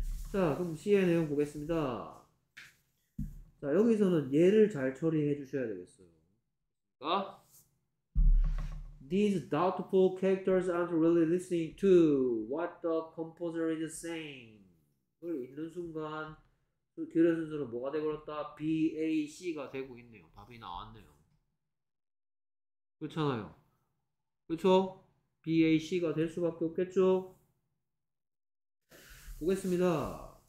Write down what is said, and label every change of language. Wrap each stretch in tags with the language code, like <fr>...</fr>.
<ko>자, 그럼 C의 내용 보겠습니다. 자, 여기서는 얘를 잘 처리해 주셔야 되겠어요. 맞습니까?</ko> <en>These doubtful characters aren't really listening to what the composer is saying.</en> <ko>그걸 읽는 순간 그 규례 순서로 뭐가 되어버렸다? B, A, C가 되고 있네요. 답이 나왔네요. 그렇잖아요. 그렇죠? B, A, C가 될 수밖에 없겠죠? 보겠습니다.</ko>